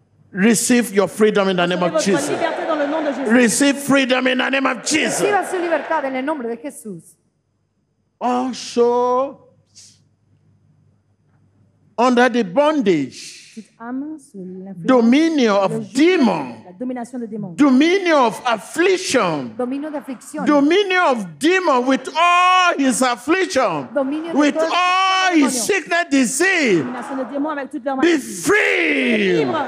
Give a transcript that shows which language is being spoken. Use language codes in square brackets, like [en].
[en] Receive your freedom in the name of Jesus. Receive freedom in the name of Jesus. [es] Reciba su libertad en el nombre de Jesús. [en] Also, under the bondage, dominion of demon, dominion of affliction, dominion of demon with all his affliction, with all his sickness, disease, be free.